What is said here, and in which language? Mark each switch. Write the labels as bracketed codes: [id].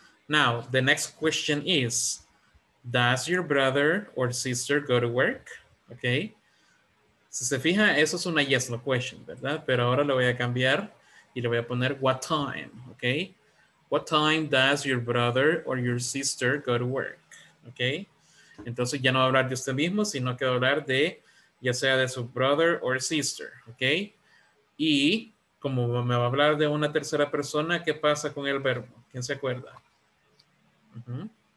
[en] Now, the next question is, does your brother or sister go to work? Okay. [es] Si se fija, eso es una yes, no question, ¿verdad? Pero ahora lo voy a cambiar y le voy a poner what time, okay? [en] What time does your brother or your sister go to work? Okay. [es] Entonces ya no va a hablar de usted mismo, sino que va a hablar de ya sea de su brother or sister, okay? Y como me va a hablar de una tercera persona, ¿qué pasa con el verbo? ¿Quién se acuerda? Uh-huh.